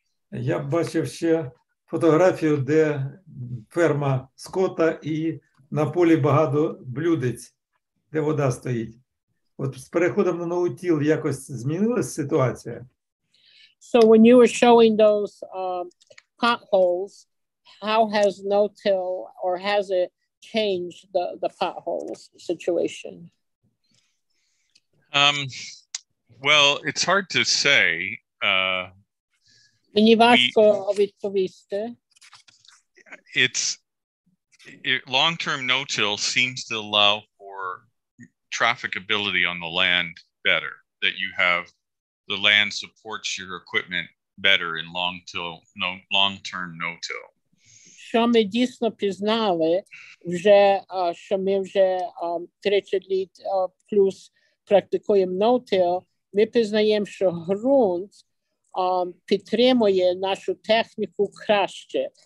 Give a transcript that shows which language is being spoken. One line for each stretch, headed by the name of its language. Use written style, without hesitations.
Ukrainian: Я бачив ще фотографію, де ферма Скотта і на полі багато блюдець, де вода стоїть. От з переходом на ноутіл якось змінилась ситуація?
English: So when you were showing those potholes, how has no-till or has it changed the potholes situation? Well, it's hard to say.
Ukrainian: Мені важко відповісти.
English: Long-term no-till seems to allow for trafficability on the land better, that you have the land supports your equipment better in long-term no-till.
Ukrainian: Що ми дійсно пізнали, вже, що ми вже 30 літ плюс практикуємо no-till, ми пізнаємо, що ґрунт підтримує нашу техніку краще.